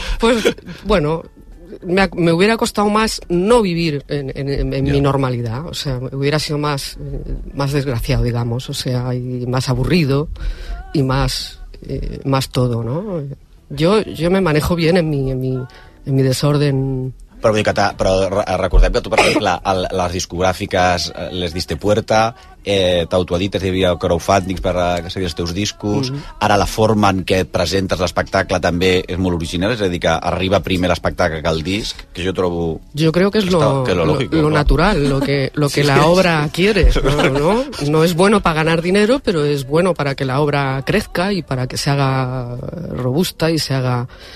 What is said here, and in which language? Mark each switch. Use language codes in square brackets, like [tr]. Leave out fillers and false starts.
[es] Pues, bueno, me hubiera costado más no vivir en mi normalidad. O sea, hubiera sido más desgraciado, digamos. O sea, y más aburrido y más todo, ¿no? Yo me manejo bien en mi desorden. [ca] Però recordem que tu, per exemple, a les discogràfiques les [es] diste puerta, [ca] t'autoedites, hi havia crowdfunding per accedir als teus discos, ara la forma en què presentes l'espectacle també és molt original, és a dir, que arriba primer l'espectacle que el disc, que jo trobo... Jo crec que és lo natural, lo que sí, [es] la obra quiere, ¿no? No es bueno para ganar dinero, pero es bueno para que la obra crezca y para que se haga robusta y se haga...